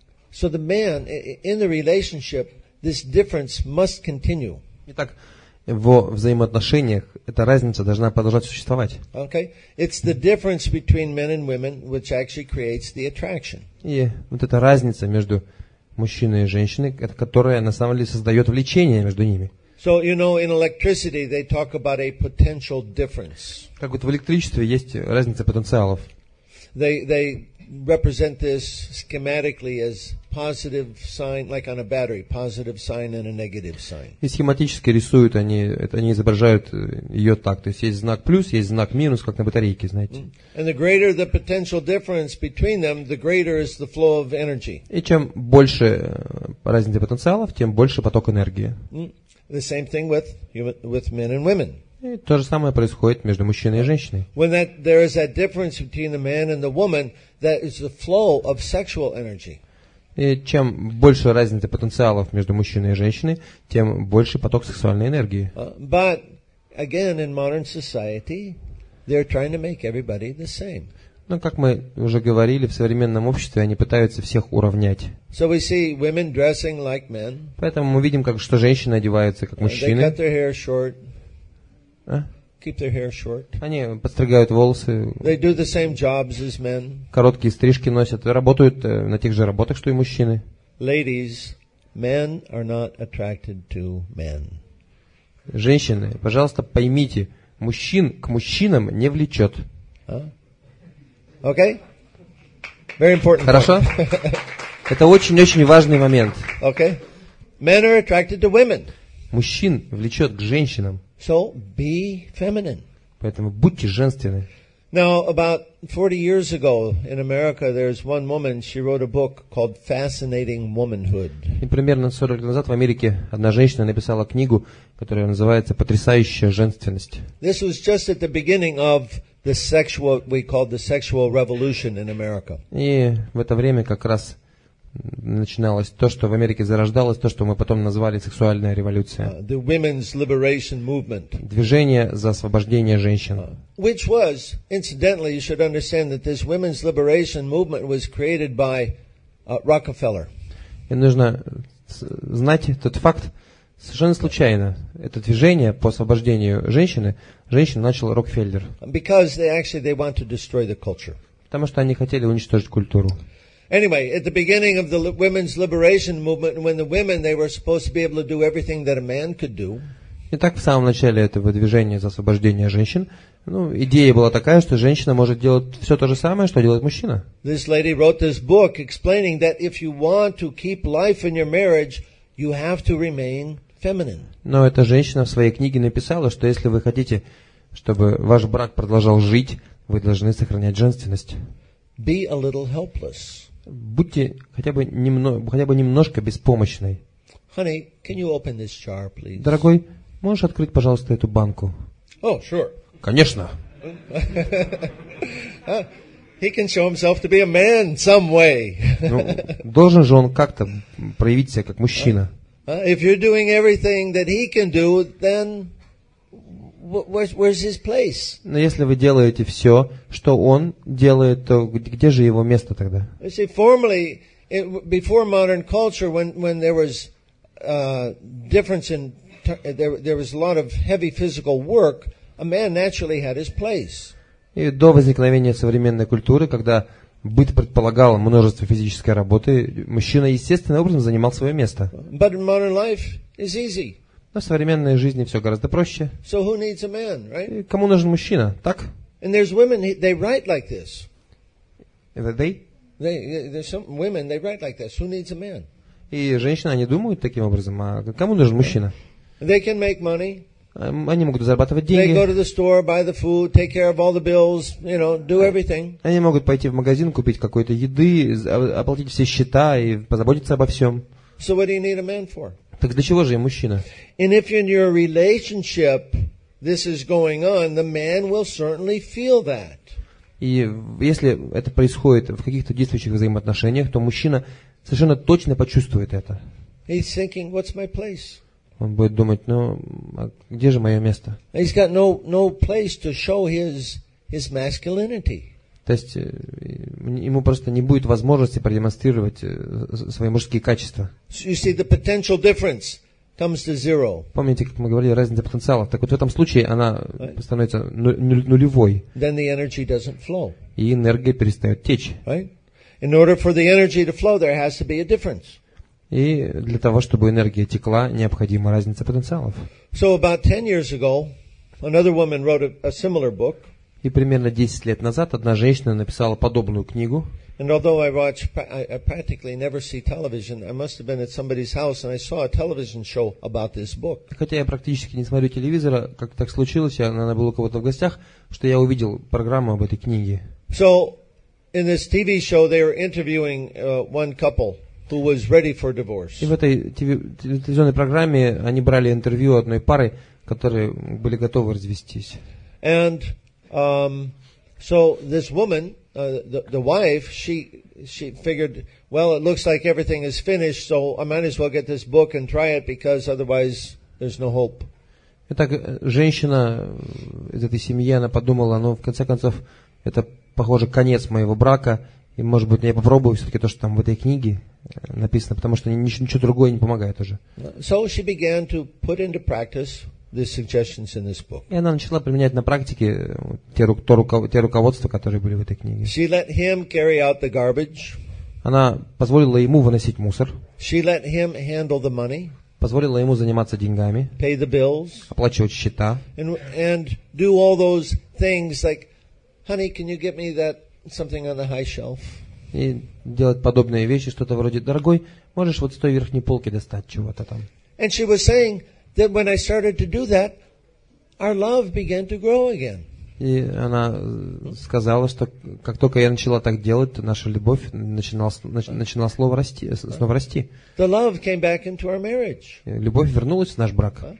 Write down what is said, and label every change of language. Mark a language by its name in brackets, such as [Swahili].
[English] So the man in the relationship, this difference must continue. [Russian] Итак, во взаимоотношениях эта разница должна продолжать существовать. [English] Okay, it's the difference between men and women which actually creates the attraction. [Russian] И вот эта разница между мужчиной и женщиной, которая на самом деле создает влечение между ними. [English] So you know, in electricity, they talk about a potential difference. [Russian] Так вот, в электричестве есть разница потенциалов. [English] They represent this schematically as positive sign, like on a battery, positive sign and a negative sign. [Russian] И схематически рисуют они, это они изображают ее так. То есть есть знак плюс, есть знак минус, как на батарейке, знаете. [English] And the greater the potential difference between them, the greater is the flow of energy. [Russian] И чем больше разница потенциалов, тем больше поток энергии. [English] The same thing with men and women. [Russian] И то же самое происходит между мужчиной и женщиной. [English] When that, there is that difference between the man and the woman, that is the flow of sexual energy. [Russian] И чем больше разница потенциалов между мужчиной и женщиной, тем больше поток сексуальной энергии. [English] But again, in modern society, they're trying to make everybody the same. [Russian] Но как мы уже говорили, в современном обществе они пытаются всех уравнять. [English] So we see women dressing like men. [Russian] Поэтому мы видим, как что женщины одеваются как мужчины. [English] They cut their hair short. Keep their hair short. [Russian] Они подстригают волосы. [English] They do the same jobs as men. [Russian] Короткие стрижки носят, работают на тех же работах, что и мужчины. [English] Ladies, men are not attracted to men. [Russian] Женщины, пожалуйста, поймите, мужчин к мужчинам не влечет. [English] Okay? Very important. [Russian] Хорошо? Это очень-очень важный момент. [English] Okay? Men are attracted to women. [Russian] Мужчин влечет к женщинам. [English] So be feminine. [Russian] Поэтому будьте женственны. [English] Now, about 40 years ago in America, there's one woman. She wrote a book called "Fascinating Womanhood." [Russian] И примерно 40 лет назад в Америке одна женщина написала книгу, которая называется "Потрясающая женственность". [English] This was just at the beginning of the sexual, we called the sexual revolution in America. [Russian] И в это время как раз начиналось то, что в Америке зарождалось, то, что мы потом назвали сексуальная революция. [English] The women's liberation movement. [Russian] Движение за освобождение женщин. [English] Which was, incidentally, you should understand that this women's liberation movement was created by Rockefeller. [Russian] И нужно знать тот факт, совершенно случайно, это движение по освобождению женщины, женщин начал Рокфеллер. [English] Because they actually, they want to destroy the culture. [Russian] Потому что они хотели уничтожить культуру. [English] Anyway, at the beginning of the women's liberation movement, when the women, they were supposed to be able to do everything that a man could do. [Russian] Итак, в самом начале этого движения за освобождение женщин, ну, идея была такая, что женщина может делать все то же самое, что делает мужчина. [English] This lady wrote this book explaining that if you want to keep life in your marriage, you have to remain feminine. [Russian] Но эта женщина в своей книге написала, что если вы хотите, чтобы ваш брак продолжал жить, вы должны сохранять женственность. [English] Be a little helpless. [Russian] будьте хотя бы немножко беспомощной. [English] Honey, can you open this jar, please? [Russian] Дорогой, можешь открыть, пожалуйста, эту банку? [English] Oh, sure. [Russian] Конечно. [English] He can show himself to be a man some way. [Russian] Ну, должен же он как-то проявить себя как мужчина. [English] If you're doing everything that he can do, then where's his place? [Russian] Но если вы делаете все, что он делает, то где же его место тогда? [English] You see, formerly, before modern culture, when there was difference in there was a lot of heavy physical work, a man naturally had his place. [Russian] И до возникновения современной культуры, когда быт предполагал множество физической работы, мужчина естественным образом занимал свое место. [English] But in modern life, it's easy. [Russian] Но в современной жизни все гораздо проще. [English] So who needs a man, right? [Russian] И кому нужен мужчина, так? [English] And there's women, they write like this. There's some women, they write like this. Who needs a man? [Russian] И женщины, они думают таким образом, а кому нужен мужчина? [English] They can make money. [Russian] Они могут зарабатывать деньги. [English] They go to the store, buy the food, take care of all the bills, you know, do everything. [Russian] Они могут пойти в магазин, купить какой-то еды, оплатить все счета и позаботиться обо всем. [English] So what do you need a man for? [Russian] Так для чего же им мужчина? [English] And if in your relationship this is going on, the man will certainly feel that. [Russian] И если это происходит в каких-то действующих взаимоотношениях, то мужчина совершенно точно почувствует это. [English] He's thinking, what's my place? [Russian] Он будет думать, ну, а где же мое место? [English] He's got no place to show his masculinity. [Russian] То есть ему просто не будет возможности продемонстрировать свои мужские качества. [English] So you see, the potential difference comes to zero. [Russian] Помните, как мы говорили, разница потенциалов. Так вот в этом случае она становится нулевой. [English] Then the energy doesn't flow. [Russian] И энергия перестает течь. [English] Right? In order for the energy to flow, there has to be a difference. [Russian] И для того, чтобы энергия текла, необходима разница потенциалов. [English] So about 10 years ago, another woman wrote a similar book. [Russian] И примерно 10 лет назад одна женщина написала подобную книгу. [English] And although I watch, I practically never see television, I must have been at somebody's house and I saw a television show about this book. [Russian] Хотя я практически не смотрю телевизора, как так случилось, она была у кого-то в гостях, что я увидел программу об этой книге. [English] So in this TV show they were interviewing one couple. Who was ready for divorce? [Russian] И в этой телевизионной программе они брали интервью одной пары, которые были готовы развестись. [English] And so this woman, the wife, she figured, well, it looks like everything is finished, so I might as well get this book and try it because otherwise there's no hope. [Russian] Итак, женщина из этой семьи, она подумала, ну, в конце концов это похоже конец моего брака. И, может быть, я попробую все-таки то, что там в этой книге написано, потому что ничего другое не помогает уже. [English] So she began to put into practice the suggestions in this book. [Russian] И она начала применять на практике те руководства, которые были в этой книге. [English] She let him carry out the garbage. [Russian] Она позволила ему выносить мусор. [English] She let him handle the money. [Russian] Позволила ему заниматься деньгами. [English] Pay the bills. [Russian] Оплачивать счета. [English] And do all those things like, honey, can you get me that something on the high shelf. [Russian] И делать подобные вещи, что-то вроде, дорогой, можешь вот с той верхней полки достать чего-то там. [English] And she was saying that when I started to do that, our love began to grow again. [Russian] И она сказала, что как только я начала так делать, то наша любовь начинала снова расти. [English] The love came back into our marriage. [Russian] Любовь вернулась в наш брак.